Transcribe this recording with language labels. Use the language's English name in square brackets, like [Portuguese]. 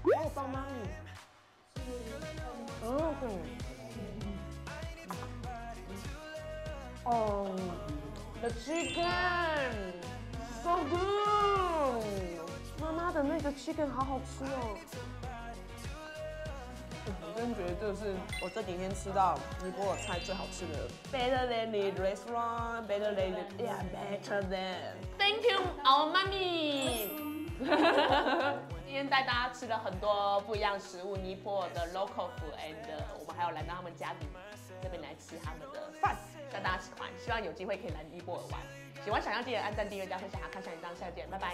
[Chinese] 还有棒棒糖， [English] The chicken so good， [Chinese] 妈妈的那个 chicken 好好吃哦。我真觉得这是我这几天吃到尼泊尔菜最好吃的。 [English] Better than the restaurant, better than the, yeah, better than. Thank you, our mommy. [Chinese] 今天带大家吃了很多不一样食物，尼泊尔的 local food， and 我们还有来到他们家里这边来吃他们的饭，希望大家喜欢，希望有机会可以来尼泊尔玩。喜欢小象记得按赞、订阅、加分享，看小象下见，拜拜，